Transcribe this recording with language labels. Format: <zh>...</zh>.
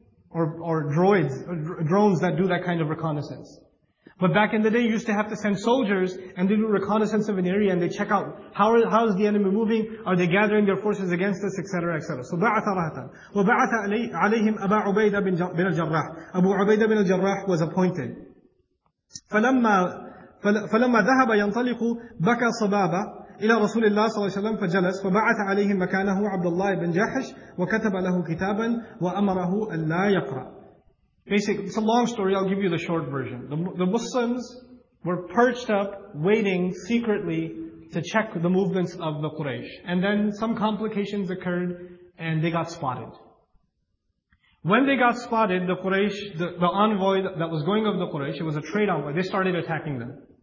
<en>Or droids, or drones that do that kind of reconnaissance. But back in the day, you used to have to send soldiers and they do reconnaissance of an area and they check out how is the enemy moving? Are they gathering their forces against us, etc., etc. So</en> <ar>ba'atha rahatan. Wa ba'atha alayhim Aba Ubaidah bin al-Jarrah.</ar> <en>Abu Ubaidah bin al-Jarrah was appointed.</en> <ar>فَلَمَّا ذَهَبَ يَنْطَلِقُ بَكَى صَبَابَ إِلَى رَسُولِ اللَّهِ صَلَّى اللَّهُ عَلَيْهِ وَسَلَّمَ فَجَلَسَ وَبَعَثَ عَلَيْهِمْ مَكَانَهُ عَبْدُ اللَّهِ بِنْ جَحْشٍ وَكَتَبَ لَهُ كِتَابًا وَأَمَرَهُ أَلَّا يَقْرَأَ</ar> <en>Basically, it's a long story, I'll give you the short version. The Muslims were perched up, waiting secretly to check the movements of the Quraysh. And then some complications occurred, and they got spotted. When they got spotted, the Quraysh, the envoy that was going of the Quraysh, it was a trade envoy, they started attacking them.</en>